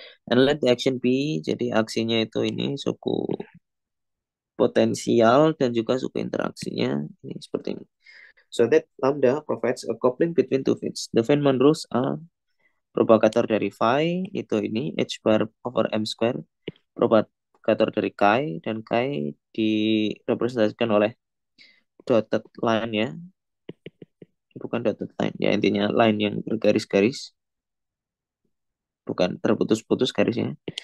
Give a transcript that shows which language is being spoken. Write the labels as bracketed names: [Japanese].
[English] And let the action be, [Indonesian] jadi aksinya itu ini suku potensial dan juga suku interaksinya ini seperti ini. [English] So that lambda provides a coupling between two fields. The Feynman rules are [Indonesian] propagator dari phi, itu ini H bar over M square, propagator dari chi, dan chi direpresentasikan oleh dotted line ya. Bukan dotted line, ya intinya line yang bergaris-garis. Bukan terputus-putus garisnya.